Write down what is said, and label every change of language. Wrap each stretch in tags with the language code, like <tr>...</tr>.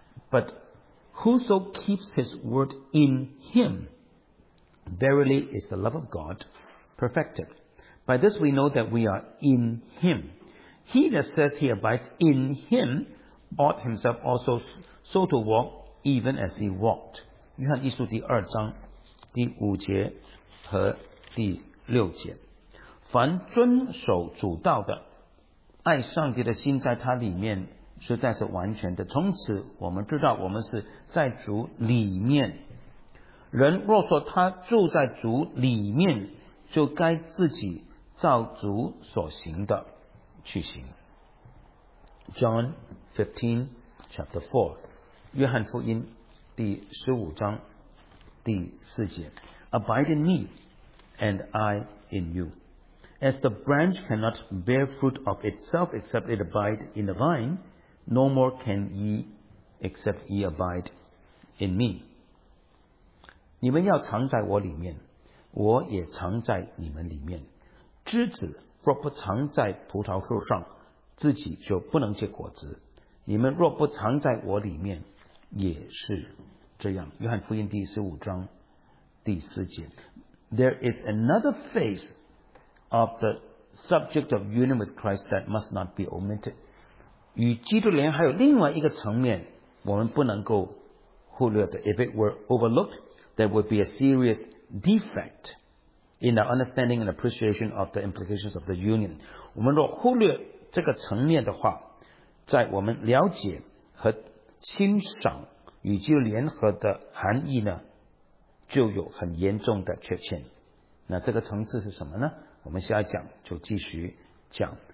<en>But whoso keeps his word in him, verily is the love of God perfected. By this we know that we are in him. He that says he abides in him,ought himself also so to walk even as he walked。</en> <zh>约翰一书第二章第五节和第六节。凡遵守主道的，爱上帝的心在他里面实在是完全的。从此我们知道我们是在主里面。人若说他住在主里面，就该自己照主所行的去行。 John 15:4， 约翰福音第十五章第四节。</zh> <en>Abide in me and I in you. As the branch cannot bear fruit of itself except it abide in the vine, no more can ye except ye abide in me.</en> <zh>你们要藏在我里面，我也藏在你们里面。枝子若不藏在葡萄树上，自己就不能结果子。你们若不藏在我里面，也是这样。约翰福音第十五章第四节。</zh> <en>There is another phase of the subject of union with Christ that must not be omitted。</en> <zh>与基督联还有另外一个层面我们不能够忽略的。</zh> <en>If it were overlooked, there would be a serious defect in our understanding and appreciation of the implications of the union。</en> <zh>我们若忽略这个层面的话，在我们了解和欣赏与基督联合的含义呢，就有很严重的缺陷。那这个层次是什么呢？我们下一讲就继续讲。</zh>